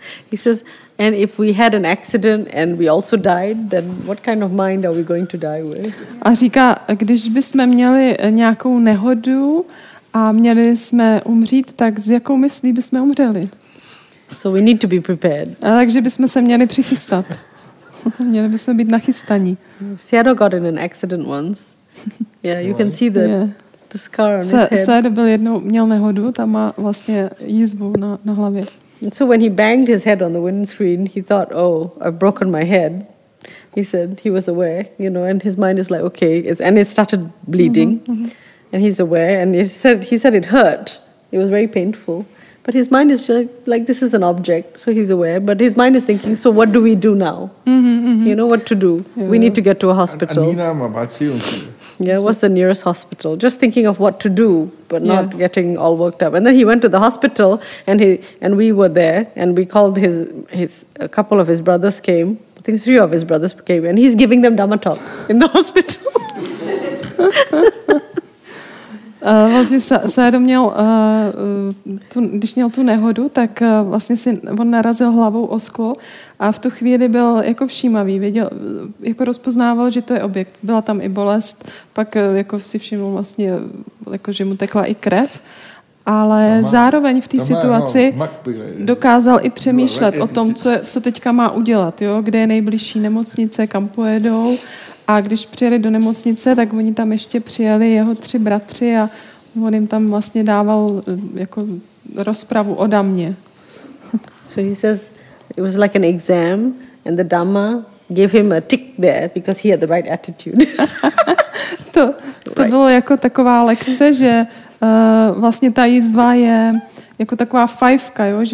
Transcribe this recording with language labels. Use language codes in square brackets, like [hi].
[en] He says, and if we had an accident and we also died, then what kind of mind are we going to die with? [cs] A říká, když bychom měli nějakou nehodu a měli jsme umřít, tak s jakou myslí bychom umřeli? [en] So we need to be prepared. [cs] A takže bychom se měli přichystat. Měli bychom být nachystaní. [en] Sayadaw got in an accident once. Yeah, you can see the scar on his head. [cs] Sayadaw byl jednou, měl nehodu, tam má vlastně jizvu na hlavě. [en] And so when he banged his head on the windscreen, he thought, oh, I've broken my head. He said he was aware, you know, and his mind is like, okay. And it started bleeding, mm-hmm. And he's aware. And he said it hurt. It was very painful. But his mind is just like, this is an object, so he's aware. But his mind is thinking, so what do we do now? You know, what to do? Yeah. We need to get to a hospital. Yeah, what's the nearest hospital? Just thinking of what to do, but not getting all worked up. And then he went to the hospital, and we were there, and we called a couple of his brothers came. I think three of his brothers came, and he's giving them Dhamma talk in the hospital. [cs] Vlastně Sádo měl, když měl tu nehodu, tak vlastně si on narazil hlavou o sklo a v tu chvíli byl jako všímavý, věděl, jako rozpoznával, že to je objekt. Byla tam i bolest, pak jako si všiml vlastně, jako, že mu tekla i krev, ale zároveň v té situaci dokázal i přemýšlet o tom, co teďka má udělat, jo? Kde je nejbližší nemocnice, kam pojedou. A když přijeli do nemocnice, tak oni tam ještě přijeli jeho tři bratři a on jim tam vlastně dával jako rozpravu o Dhamě. [en] So he says it was like an exam and the Dhamma gave him a tick there because he had the right attitude. [cs] to bylo jako taková lekce, že vlastně ta jízva je jako taková fajfka, jo?